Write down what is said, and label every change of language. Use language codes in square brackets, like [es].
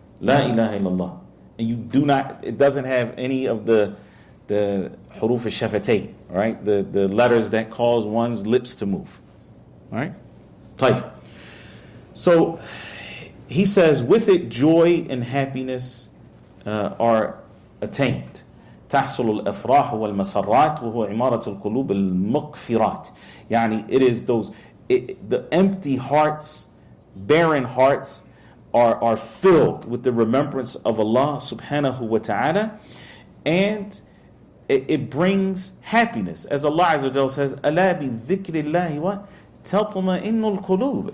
[en] La ilaha illallah. And you do not, it doesn't have any of the huruf al-shafatay, right? The letters that cause one's lips to move. Right? Tayyib. So he says, with it joy and happiness are attained. [ar] تحصل الأفراح والمسرات وهو عمارة القلوب المغفرات. [en] يعني it is those the empty hearts, barren hearts are filled with the remembrance of Allah subhanahu wa ta'ala, and it brings happiness. As Allah Azza wa Jalla says, [ar] أَلَا بِذِكْرِ اللَّهِ وَتَطْمَئِنُّ الْقُلُوبِ.